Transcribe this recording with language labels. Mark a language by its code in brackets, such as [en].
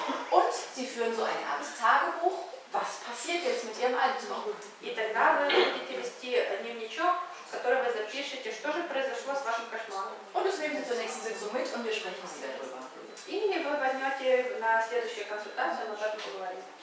[de] Und Sie führen so eine Art Tagebuch. Was passiert jetzt mit Ihrem Albtraum? [ru] И тогда вы будете вести дневничок, в котором вы запишете, что же произошло с вашим кошмаром. [de] Und das nehmen Sie zur nächsten Sitzung mit und wir sprechen Sie darüber. [ru] И вы возьмете на следующую консультацию, мы об этом поговорим.